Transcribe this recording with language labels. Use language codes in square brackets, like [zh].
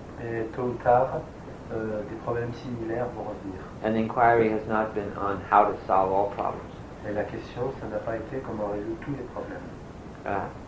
[fr] Et tôt ou tard, des problèmes similaires vont revenir. [en] And the inquiry has not been on how to solve all problems. [fr] Et la question, ça n'a pas été comment résoudre tous les problèmes.